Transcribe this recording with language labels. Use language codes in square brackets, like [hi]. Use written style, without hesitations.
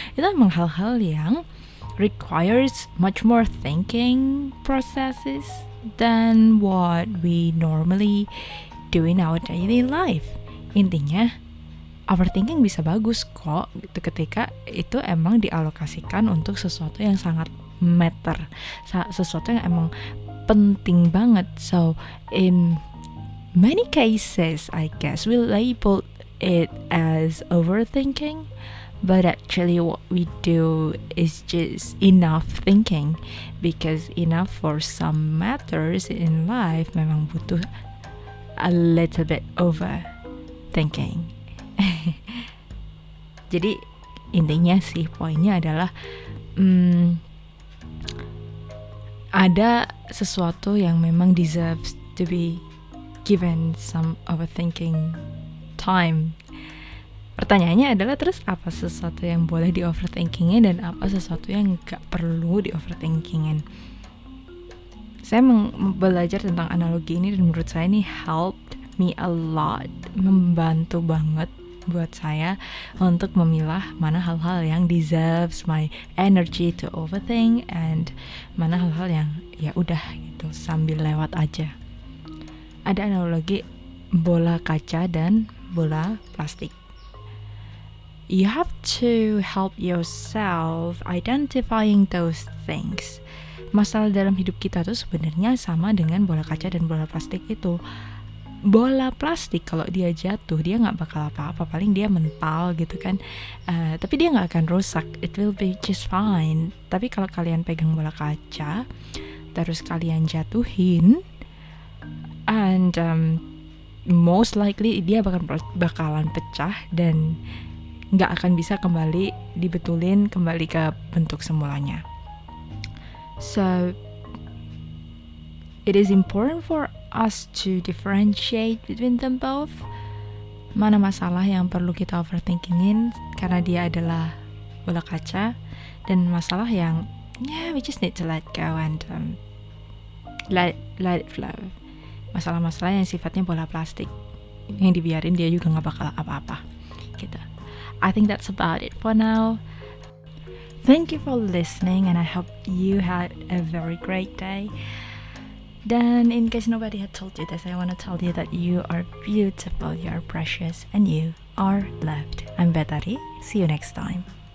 [id] Itu memang hal-hal yang [en] requires much more thinking processes than what we normally do in our daily life. [id] Intinya, overthinking bisa bagus kok gitu, ketika itu emang dialokasikan untuk sesuatu yang sangat matter, sesuatu yang emang penting banget. [en] So, in many cases, I guess we label it as overthinking, but actually what we do is just enough thinking, because enough for some matters in life [id] memang butuh [en] a little bit overthinking. [id] Jadi intinya sih, poinnya adalah ada sesuatu yang memang [en] deserves to be given some overthinking time. [id] Pertanyaannya adalah, terus apa sesuatu yang boleh di overthinkingin dan apa sesuatu yang gak perlu di overthinkingin? Saya belajar tentang analogi ini, dan menurut saya ini [en] helped me a lot, [id] membantu banget buat saya untuk memilah mana hal-hal yang [en] deserves my energy to overthink and [id] mana hal-hal yang ya udah gitu sambil lewat aja. Ada analogi bola kaca dan bola plastik. [en] You have to help yourself identifying those things. [id] Masalah dalam hidup kita tuh sebenarnya sama dengan bola kaca dan bola plastik itu. Bola plastik kalau dia jatuh, dia gak bakal apa-apa, paling dia mental gitu kan. Tapi dia gak akan rusak, [en] it will be just fine. [id] Tapi kalau kalian pegang bola kaca, terus kalian jatuhin, [en] and most likely [id] dia bakalan pecah dan gak akan bisa kembali dibetulin kembali ke bentuk semulanya. [en] So, it is important for us to differentiate between them both. [id] Mana masalah yang perlu kita overthinkingin karena dia adalah bola kaca, dan masalah yang [en] yeah, we just need to let go and let it flow. [id] Masalah-masalah yang sifatnya bola plastik yang dibiarin dia juga gak bakal apa-apa gitu. [en] I think that's about it for now. Thank you for listening, and I hope you had a very great day. Then, in case nobody had told you this, I want to tell you that you are beautiful, you are precious, and you are loved. I'm Betari. See you next time.